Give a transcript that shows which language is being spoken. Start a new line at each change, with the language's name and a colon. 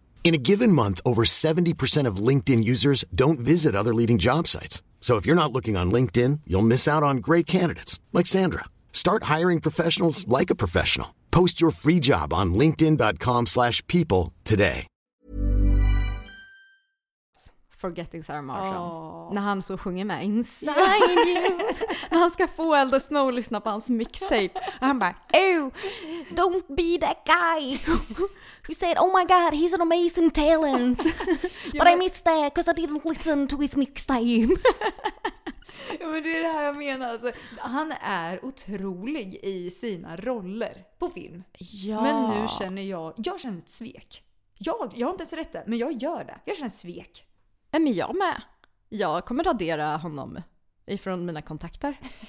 English: In a given month, over 70% of LinkedIn users don't visit other leading job sites. So if you're not looking on LinkedIn, you'll miss out on great candidates like Sandra. Start hiring professionals like a professional. Post your free job on linkedin.com/people today. Forgetting Sarah Marshall. Oh.
Swedish: När han så sjunger med Inside You. När han ska få Elder Snow att lyssna på hans mixtape. Och han bara,
English: oh, don't be that guy who said, oh my god, he's an amazing talent. But I missed that because I didn't listen to his mixtape.
Swedish: Ja, men det är det här jag menar. Alltså, han är otrolig i sina roller på film. Ja. Men nu känner jag känner ett svek. Jag har inte ens rätt det, men jag gör det. Jag känner ett svek. Är men jag med. Jag kommer radera honom ifrån mina kontakter.